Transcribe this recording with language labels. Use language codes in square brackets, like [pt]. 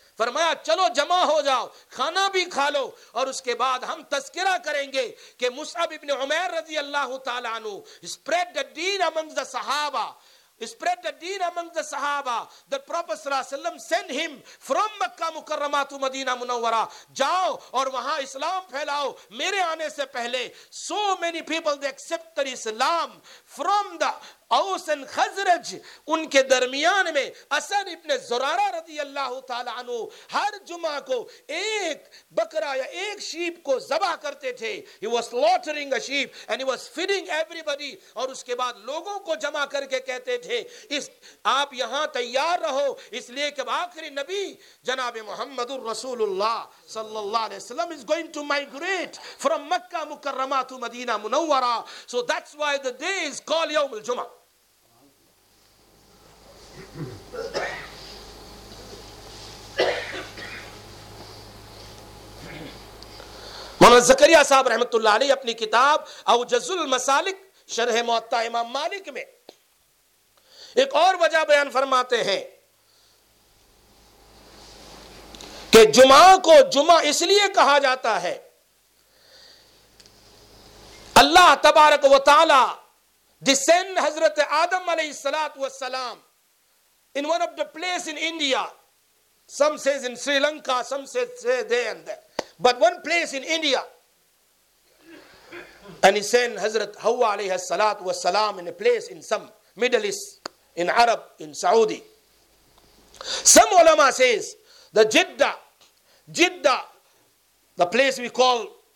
[ur] فرمایا چلو جمع ہو جاؤ کھانا بھی کھا لو اور اس کے بعد ہم تذکرہ کریں گے کہ مصعب ابن عمیر رضی اللہ تعالی عنہ [en] spread the deen among the [ur] صحابہ. [en] Spread the deen among the sahaba that Prophet صلی اللہ علیہ وسلم send him from Makkah Mukarramah to Madinah Munawwarah. [ur] جاؤ اور وہاں اسلام پھیلاؤ میرے آنے سے پہلے. [en] So many people they accepted Islam from the Aus and Khazraj. [ur] ان کے درمیان میں اسد ابن زرارہ رضی اللہ تعالی عنہ ہر جمعہ کو ایک بکرا یا ایک شیپ کو ذبح کرتے تھے. [en] He was slaughtering a sheep and he was feeding everybody. [ur] اور اس کے بعد لوگوں کو جمع کر کے کہتے تھے آپ یہاں تیار رہو اس لیے کہ آخری نبی جناب محمد الرسول اللہ صلی اللہ علیہ وسلم [en] is going to migrate from [ur] مکہ مکرمہ to مدینہ منورہ. [en] So that's why the day is called یوم الجمعہ. [ur] مولانا زکریا صاحب رحمت اللہ علیہ اپنی کتاب اوجز المسالک شرح موطا امام مالک میں ایک اور وجہ بیان فرماتے ہیں کہ جمعہ کو جمعہ اس لیے کہا جاتا ہے اللہ تبارک و تعالی descend حضرت آدم علیہ السلام والسلام [en] in one of the place in India. Some says in Sri Lanka, some says there and there. But one place in India. And he sent Hazrat Hawa alayhi salat wa salam in a place in some Middle East, in Arab, in Saudi. Some ulama says, the Jeddah, the place we call